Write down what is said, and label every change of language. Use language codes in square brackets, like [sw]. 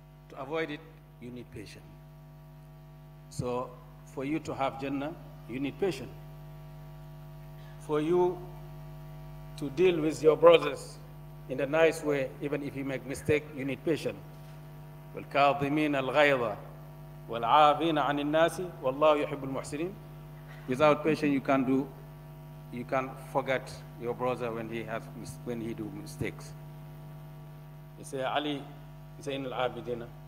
[en] To avoid it, you need patience. So for you to have Jannah, you need patience. For you to deal with your brothers in a nice way, even if you make mistake, you need patience. [ar] والكاظمين الغيظ والعافين عن الناس والله يحب المحسنين. [en] Without patience, you can't forget your brother when he do mistakes. You say Ali Zain al-Abidin.